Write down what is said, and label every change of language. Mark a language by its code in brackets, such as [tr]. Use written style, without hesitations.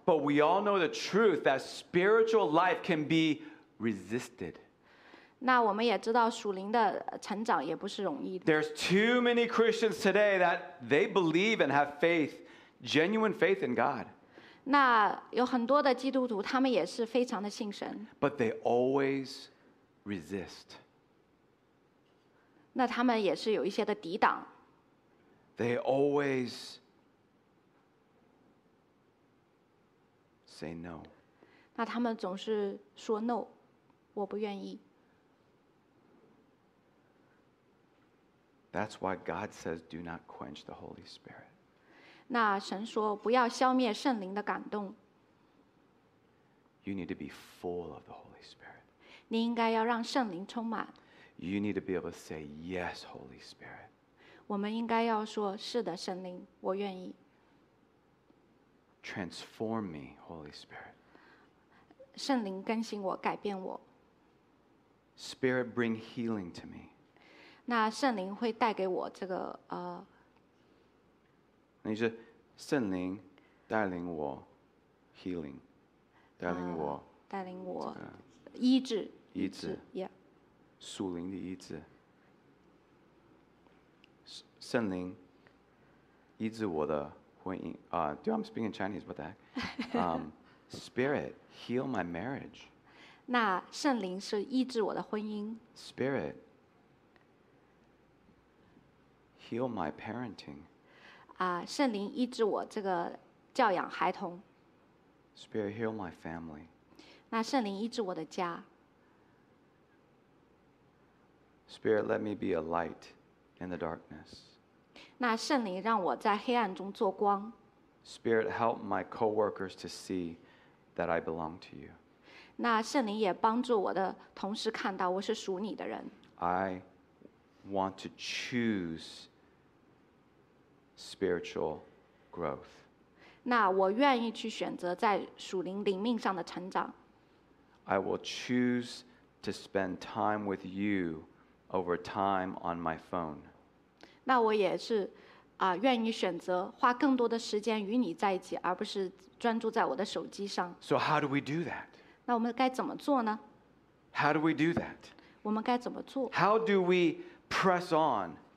[en] But we all know the truth that spiritual life can be resisted. [zh] 那我们也知道属灵的成长也不是容易的。 [en] There's too many Christians today that they believe and have faith, genuine faith in God. [zh] 那有很多的基督徒他们也是非常的信神。 [en] But they always resist. [zh] 那他们也是有一些的抵挡。 [en] They always say no. [zh] 那他们总是说 no， 我不愿意。 [en] That's why God says, "Do not quench the Holy Spirit." [zh] 那神说不要消灭圣灵的感动。 [en] You need to be full of the Holy Spirit. [zh] 你应该要让圣灵充满。 [en] You need to be able to say yes, Holy Spirit. [zh] 我们应该要说是的，圣灵，我愿意。 [en] Transform me, Holy Spirit. [zh] 圣灵更新我，改变我。 [en] Spirit, bring healing to me. [zh] 那圣灵会带给我这个那就是圣灵带领我 healing， 带领我医治，医治，Yeah。属灵的医治，圣灵医治我的婚姻。 [en] Dude, I'm speaking Chinese. What the heck? Spirit, heal my marriage. [zh] 那圣灵是医治我的婚姻。 [en] Spirit, heal my parenting. [zh] 圣灵医治我这个教养孩童。 [en] Spirit, heal my family. [zh] 那圣灵医治我的家。 [en] Spirit, let me be a light in the darkness. [zh] 那圣灵让我在黑暗中做光。 [en] Spirit, help my co-workers to see that I belong to you. [zh] 那圣灵也帮助我的同事看到我是属你的人。 [en] I want to choose spiritual growth. [zh] 那我愿意去选择在属灵灵命上的成长。 [en] I will choose to spend time with you. Over time on my phone. [zh] 那我也是，愿意选择花更多的时间与你在一起，而不是专注在我的手机上。 [en] So how do we do that? [zh] 那我们该怎么做呢？ [en] How do we do that? [zh] 我们该怎么做？ [en] How do we press on?